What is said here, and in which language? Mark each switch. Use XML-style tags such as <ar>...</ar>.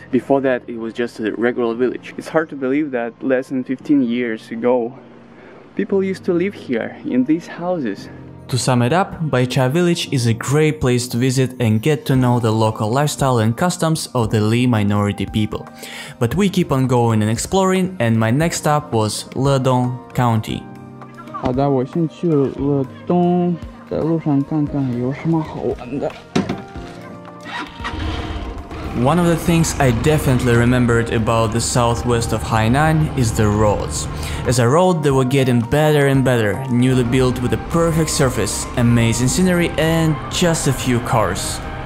<en>Before that, it was just a regular village. It's hard to believe that less than 15 years ago, people used to live here, in these houses. To sum it up, Baisha village is a great place to visit and get to know the local lifestyle and customs of the Li minority people. But we keep on going and exploring, and my next stop was Ledong County.</en> <zh>好的，我先去了乐东。在路上看看有什么好玩的。</zh> <en>One of the things I definitely remembered about the southwest of Hainan is the roads. As I rode, they were getting better and better, newly built with a perfect surface, amazing scenery, and just a few cars.</en>